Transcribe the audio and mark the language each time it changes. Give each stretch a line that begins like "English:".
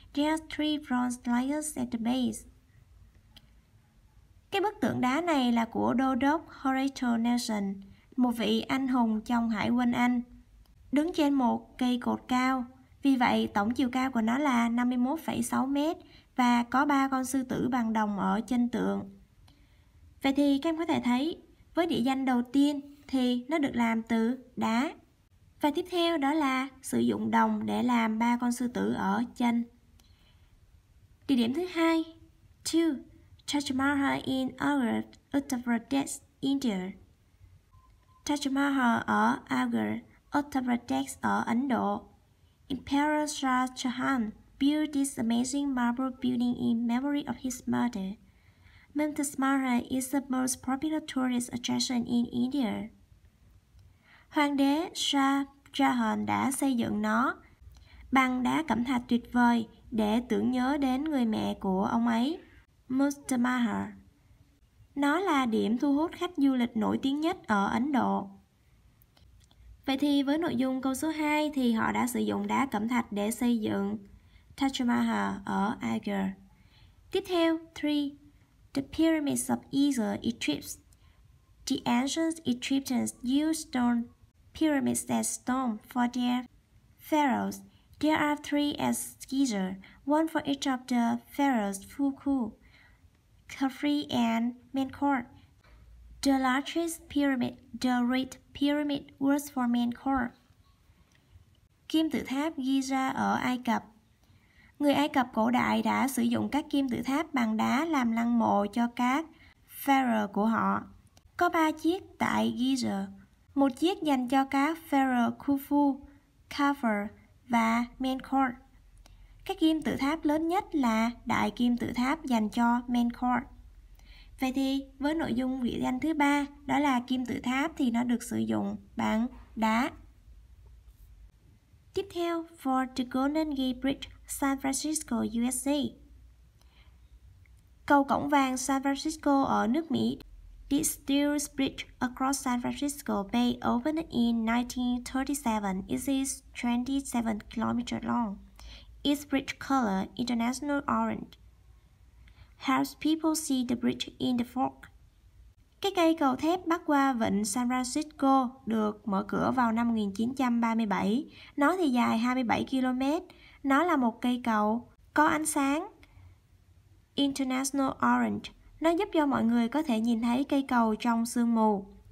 English: There are three bronze lions at the base.
Vietnamese: Cái bức tượng đá này là của đô đốc Horatio Nelson, một vị anh hùng trong hải quân Anh, đứng trên một cây cột cao. Vì vậy, tổng chiều cao của nó là 51,6 mét và có ba con sư tử bằng đồng ở trên tượng. Vậy thì các em có thể thấy, với địa danh đầu tiên thì nó được làm từ đá. Và tiếp theo đó là sử dụng đồng để làm ba con sư tử ở trên. Địa điểm thứ hai, 2. Taj Mahal in Agra, Uttar Pradesh, India. Taj Mahal ở Agra, Uttar Pradesh ở Ấn Độ.
English: Emperor Shah Jahan built this amazing marble building in memory of his mother. Mumtaz Mahal is the most popular tourist attraction in India.
Vietnamese: Hoàng đế Shah Jahan đã xây dựng nó bằng đá cẩm thạch tuyệt vời để tưởng nhớ đến người mẹ của ông ấy, Mumtaz Mahal. Nó là điểm thu hút khách du lịch nổi tiếng nhất ở Ấn Độ. Vậy thì với nội dung câu số 2 thì họ đã sử dụng đá cẩm thạch để xây dựng Taj Mahal ở Agra. Tiếp theo,
English: 3. The pyramids of Giza, Egypt. The ancient Egyptians used stone pyramids as stone for their pharaohs. There are three at Giza, one for each of the pharaohs Khufu, Khafre and Menkaure. The largest pyramid, the Great Pyramid, was for Menkaure.
Vietnamese: kim tự tháp Giza ở Ai Cập. Người Ai Cập cổ đại đã sử dụng các kim tự tháp bằng đá làm lăng mộ cho các pharaoh của họ. Có 3 chiếc tại Giza, một chiếc dành cho các pharaoh Khufu, Khafre và Menkaure. Các kim tự tháp lớn nhất là đại kim tự tháp dành cho Menkaure. Vậy thì với nội dung vị danh thứ 3, đó là kim tự tháp thì nó được sử dụng bằng đá. Tiếp theo,
English: for the Golden Gate Bridge, San Francisco, USA.
Vietnamese: Cầu cổng vàng San Francisco ở nước Mỹ,
English: the Steel Bridge across San Francisco Bay opened in 1937. It is 27 kilometers long. Its bridge color, international orange, helps people see the bridge in the fog.
Vietnamese: Cái cây cầu thép bắc qua vịnh San Francisco được mở cửa vào năm 1937. Nó thì dài 27 km. Nó là một cây cầu có ánh sáng,
English: international orange.
Vietnamese: Nó giúp cho mọi người có thể nhìn thấy cây cầu trong sương mù.